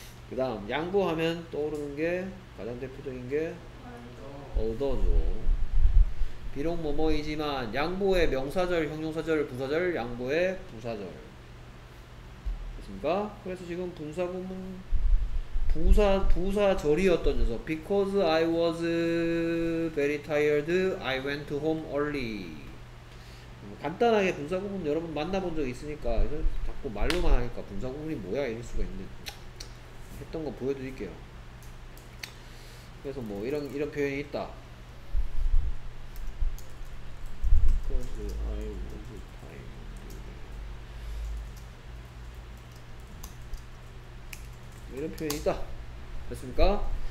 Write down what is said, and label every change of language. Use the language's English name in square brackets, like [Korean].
[Korean] 그 다음 양보하면 떠오르는 게 가장 대표적인 게 although죠. 비록 뭐뭐이지만 양보의 명사절, 형용사절, 부사절, 양보의 부사절. 됐습니까? 그래서 지금 분사구문 부사절이었던 녀석. [English] Because I was very tired, I went to home early. [Korean] 간단하게 분사구문 여러분 만나본 적 있으니까 자꾸 말로만 하니까 분사구문이 뭐야 이럴 수가 있는데 했던 거 보여드릴게요. 그래서 뭐 이런 표현이 있다. [English] Because I was tired. [Korean] 이런 표현이 있다. 됐습니까?